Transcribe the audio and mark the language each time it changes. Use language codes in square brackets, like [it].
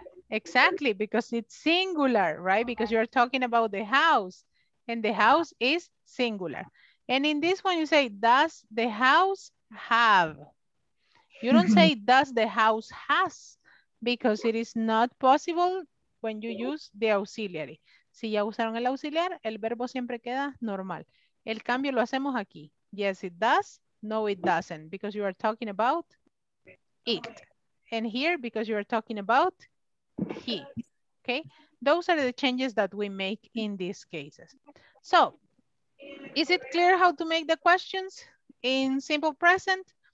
[en] Exactly, because it's singular, right? Because you are talking about the house. And the house is singular. And in this one, you say, does the house have? You don't say, does the house has? Because it is not possible when you use the auxiliary. [es] Si ya usaron el auxiliar, el verbo siempre queda normal. El cambio lo hacemos aquí. [en] Yes, it does. No, it doesn't, because you are talking about it. And here, because you are talking about he. Okay, those are the changes that we make in these cases. So, is it clear how to make the questions in simple present?